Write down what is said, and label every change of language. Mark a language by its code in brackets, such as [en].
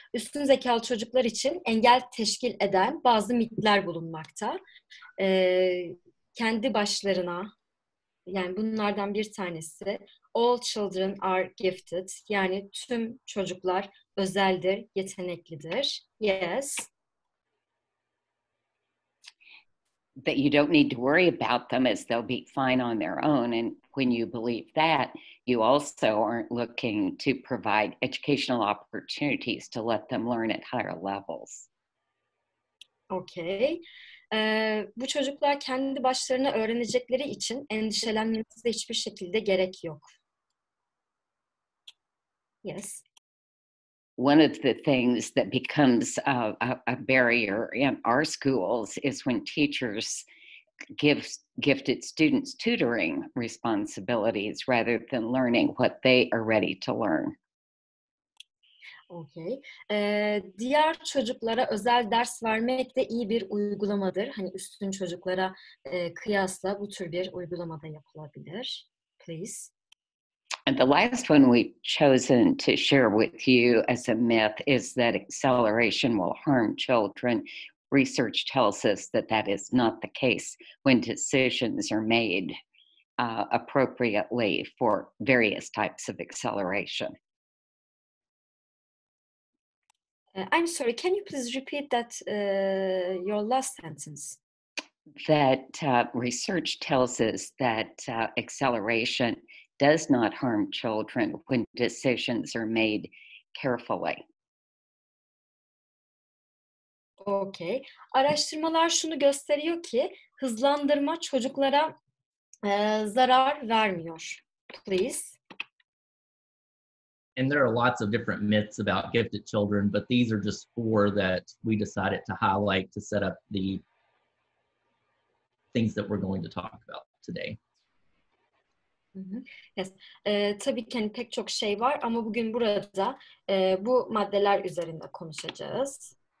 [tr] Üstün zekalı çocuklar için engel teşkil eden bazı mitler bulunmakta. Kendi başlarına, yani bunlardan bir tanesi, [en] all children are gifted, [tr] yani tüm çocuklar özeldir, yeteneklidir. [en] Yes. That you don't need to worry about them as they'll be fine on their own. And when you believe that, you also aren't looking to provide educational opportunities to let them learn at higher levels. Okay. [tr] Bu çocuklar kendi başlarına öğrenecekleri için endişelenmenize hiçbir şekilde gerek yok. [en] Yes. One of the things that becomes a barrier in our schools is when teachers give gifted students tutoring responsibilities rather than learning what they are ready to learn. Okay. [tr] Diğer çocuklara özel ders vermek de iyi bir uygulamadır. Hani üstün çocuklara kıyasla bu tür bir uygulamada yapılabilir. [en] Please. And the last one we've chosen to share with you as a myth is that acceleration will harm children. Research tells us that that is not the case when decisions are made appropriately for various types of acceleration. I'm sorry, can you please repeat that your last sentence? That research tells us that acceleration does not harm children when decisions are made carefully. Okay. [tr] Araştırmalar şunu gösteriyor ki hızlandırma çocuklara zarar vermiyor. [en] Please. And there are lots of different myths about gifted children, but these are just four that we decided to highlight to set up the things that we're going to talk about today. Yes. [tr] Tabii ki hani pek çok şey var ama bugün burada bu maddeler üzerinde konuşacağız.